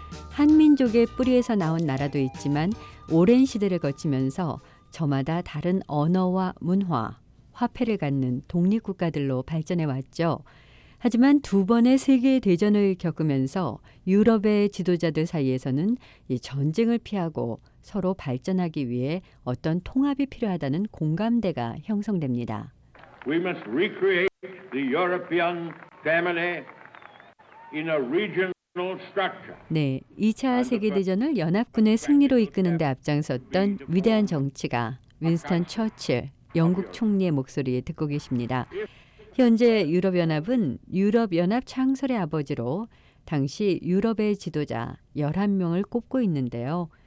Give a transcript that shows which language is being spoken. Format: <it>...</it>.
<ko>한민족의 뿌리에서 나온 나라도 있지만 오랜 시대를 거치면서 저마다 다른 언어와 문화, 화폐를 갖는 독립국가들로 발전해 왔죠. 하지만 두 번의 세계 대전을 겪으면서 유럽의 지도자들 사이에서는 이 전쟁을 피하고 서로 발전하기 위해 어떤 통합이 필요하다는 공감대가 형성됩니다.</ko> <en>We must recreate the European family in a regional structure.</en> <ko>네, 2차 세계대전을 연합군의 승리로 이끄는 데 앞장섰던 위대한 정치가 윈스턴 처칠, 영국 총리의 목소리 듣고 계십니다. 현재 유럽연합은 유럽연합 창설의 아버지로 당시 유럽의 지도자 11명을 꼽고 있는데요.</ko>